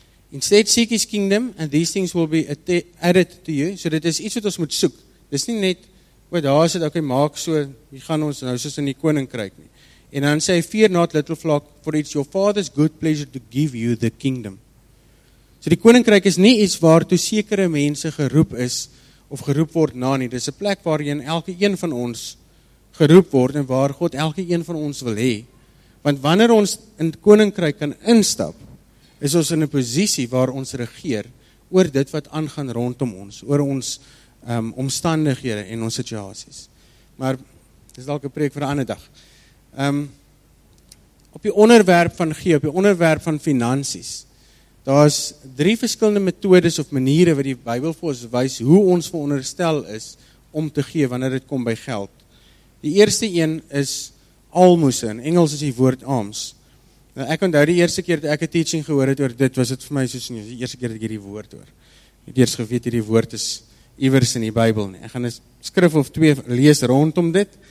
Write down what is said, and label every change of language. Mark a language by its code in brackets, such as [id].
[en] Instead seek his kingdom, and these things will be added to you. [af] So dit is iets wat ons moet soek. Dit is nie net, oh, daar is het, okay, maak so, hier gaan ons nou soos in die koninkryk nie. En dan sê, [en] fear not, little flock, for it's your father's good pleasure to give you the kingdom. [af] So die koninkryk is nie iets waartoe sekere mense geroep is, of geroep word na nie. Dit is 'n plek waarin elke een van ons geroep word, en waar God elke een van ons wil hê. Want wanneer ons in het koninkryk kan instap, is ons in 'n posisie waar ons regeer oor dit wat aangaan rondom ons, oor ons omstandighede en ons situasies. Maar, dit is dalk 'n preek vir 'n ander dag. Op die onderwerp van gee, op die onderwerp van finansies, daar is drie verskillende methodes of maniere wat die Bybel vir ons wys hoe ons veronderstel is om te gee wanneer dit kom by geld. Die eerste een is almose, in Engels is die woord alms. Nou, ek onthou die eerste keer dat ek 'n teaching gehoor het oor dit, was dit vir my soos nie, die eerste keer dat ek hierdie woord hoor. Ek het eers geweet hierdie woord is iewers in die Bybel nie. Ek gaan 'n skrif of twee lees rondom dit.